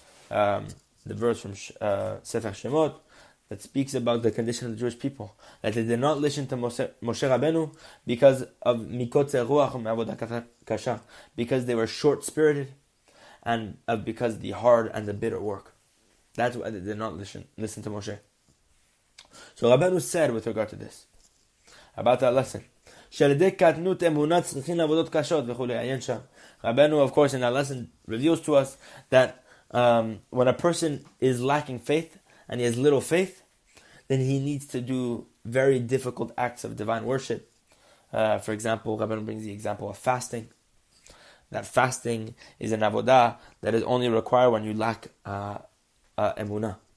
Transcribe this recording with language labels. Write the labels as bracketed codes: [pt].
[en] the verse from Sefer Shemot, that speaks about the condition of the Jewish people, that they did not listen to Moshe Rabbeinu because of [he] mikotzer ruach me'avodah kasha, [en] because they were short-spirited, and because of the hard and the bitter work. That's why they did not listen to Moshe. [he] So Rabbeinu said with regard to this, about that lesson, שלדי קטנות אמונה צריכים לעבודות קשות וכולי, עיין שם. [en] Rabbeinu, of course, in that lesson, reveals to us that when a person is lacking faith, and he has little faith, then he needs to do very difficult acts of divine worship. For example, Rabbeinu brings the example of fasting. That fasting is an avodah that is only required when you lack emunah.